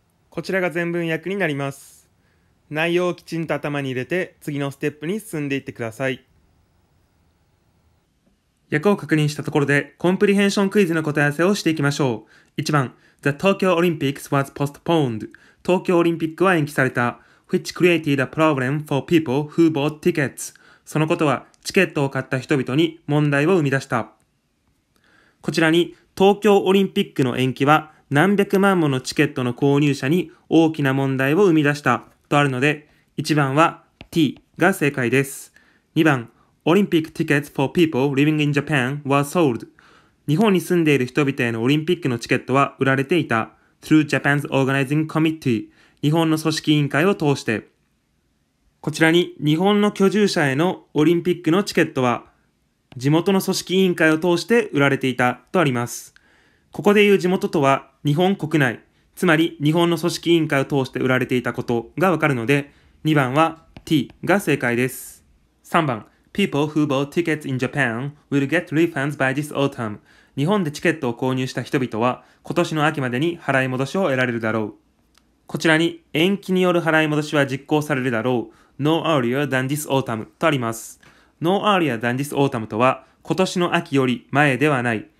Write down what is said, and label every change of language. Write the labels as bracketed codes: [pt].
[ja] こちらが全文訳になります。内容をきちんと頭に入れて、次のステップに進んでいってください。訳を確認したところで、コンプリヘンションクイズの答え合わせをしていきましょう。 1番、 [en] The Tokyo Olympics was postponed. [ja] 東京オリンピックは延期された。 [en] Which created a problem for people who bought tickets. [ja] そのことは、チケットを買った人々に問題を生み出した。こちらに、東京オリンピックの延期は、何百万ものチケットの購入者に大きな問題を生み出したとあるので、1番は T が正解です。 2番、 [en] Olympic tickets for people living in Japan were sold. [ja] 日本に住んでいる人々へのオリンピックのチケットは売られていた。 [en] Through Japan's Organizing Committee、 [ja] 日本の組織委員会を通して。こちらに、日本の居住者へのオリンピックのチケットは、地元の組織委員会を通して売られていたとあります。ここで言う地元とは、日本国内、つまり日本の組織委員会を通して売られていたことがわかるので、2番は T が正解です。 3番、 [en] People who bought tickets in Japan will get refunds by this autumn. [ja] 日本でチケットを購入した人々は、今年の秋までに払い戻しを得られるだろう。こちらに、延期による払い戻しは実行されるだろう。 [en] No earlier than this autumn [ja] とあります。 [en] No earlier than this autumn [ja] とは、今年の秋より前ではない。